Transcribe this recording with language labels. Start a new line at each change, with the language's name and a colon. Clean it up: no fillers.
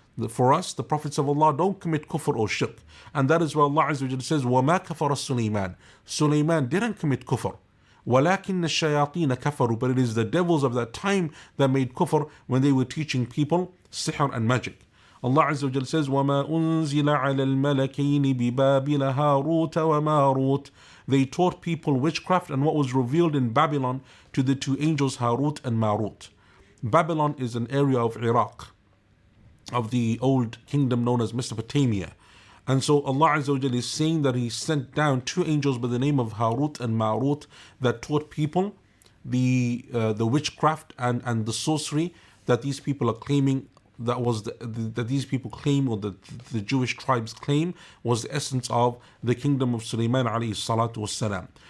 English: For us, the prophets of Allah don't commit kufr or shirk. And that is where Allah Azza wa Jalla says,
Arabic: وَمَا كَفَرَ سُلَيْمَانَ.
English: Sulaiman didn't commit kufr.
Arabic: وَلَكِنَّ الشَّيَاطِينَ كَفَرُوا.
English: But it is the devils of that time that made kufr when they were teaching people sihr and magic. Allah Azza wa Jalla says,
Arabic: وَمَا أُنزِلَ عَلَى الْمَلَكَيْنِ بِبَابِلَ هَارُوتَ وَمَارُوتَ.
English: They taught people witchcraft and what was revealed in Babylon to the two angels Harut and Marut. Babylon is an area of Iraq, of the old kingdom known as Mesopotamia. And so Allah Azza wa Jalla is saying that he sent down two angels by the name of Harut and Marut that taught people the witchcraft and the sorcery that these people are claiming that was that these people claim, or that the Jewish tribes claim, was the essence of the kingdom of Sulaiman alayhi salatu wasalam.